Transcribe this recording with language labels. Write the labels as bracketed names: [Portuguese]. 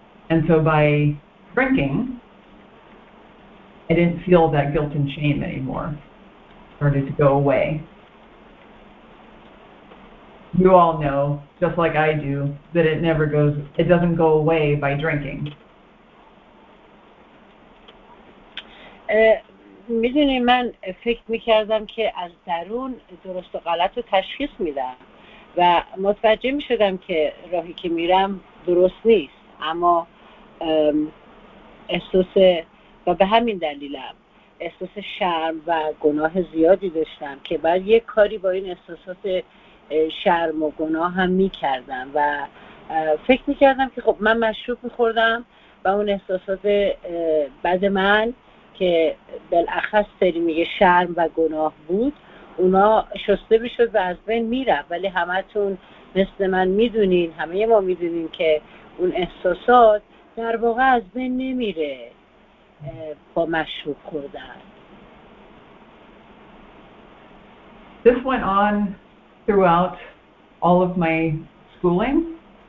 [English] And so by drinking, I didn't feel that guilt and shame anymore. It started to go away. You all know, just like I do, that it never goes, it doesn't go away by drinking. [Persian] میدونی من فکر میکردم که از درون درست و غلط رو تشخیص میدم و متوجه میشدم که راهی که میرم درست نیست، اما احساس و به همین دلیلم احساس شرم و گناه زیادی داشتم که بعد یک کاری با این احساسات شرم و گناه هم می کردم و فکر می کردم که خب من مشروب می خوردم و اون احساسات بد من که بالاخص سری می گه شرم و گناه بود اونا شسته می شد و از بین می رفت. ولی همه تون مثل من می دونین، همه ما می دونین که اون احساسات در واقع از بین نمی ره با مشروب خوردن. [English] This went on throughout all of my schooling.